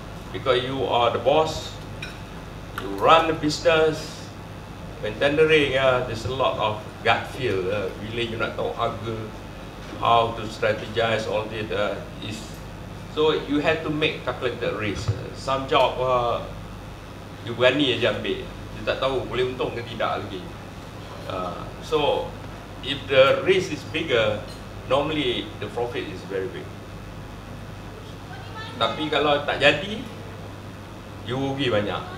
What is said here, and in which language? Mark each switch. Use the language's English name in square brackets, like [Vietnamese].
[English] Because you are the boss, you run the business. When tendering, there's a lot of gut feel. Really, you [Malay] nak tahu harga, [English] how to strategize all this. So, you have to make calculated risk. Some job, [Malay] you berani aja ambil. You tak tahu boleh untung ke tidak lagi. [English] So, if the risk is bigger, normally the profit is very big. [Malay] Tapi kalau tak jadi, you rugi banyak.